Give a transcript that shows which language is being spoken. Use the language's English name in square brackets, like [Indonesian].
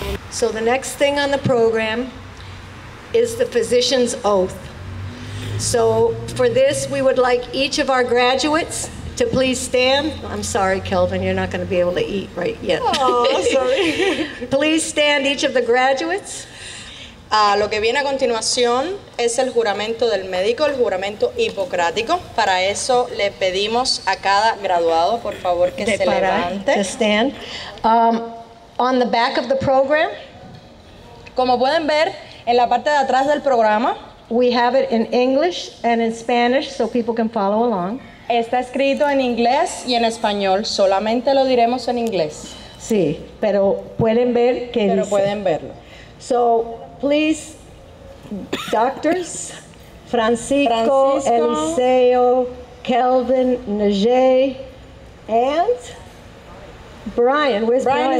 [English] So the next thing on the program is the physician's oath. So for this, we would like each of our graduates to please stand. I'm sorry, Kelvin, you're not going to be able to eat right yet. Oh, sorry. Please stand, each of the graduates. [Spanish] Lo que viene a continuación es el juramento del médico, el juramento hipocrático. Para eso le pedimos a cada graduado, por favor, que se levante. [English] To stand. On the back of the program, [Spanish] como pueden ver, en la parte de atrás del programa, [English] we have it in English and in Spanish so people can follow along. [Spanish] Está escrito en inglés y en español. Solamente lo diremos en inglés. Sí, pero pueden ver qué pero Pero pueden verlo. [English] So, please, doctors, Francisco, Eliseo, Kelvin, Najee, and Brian. Where's Brian?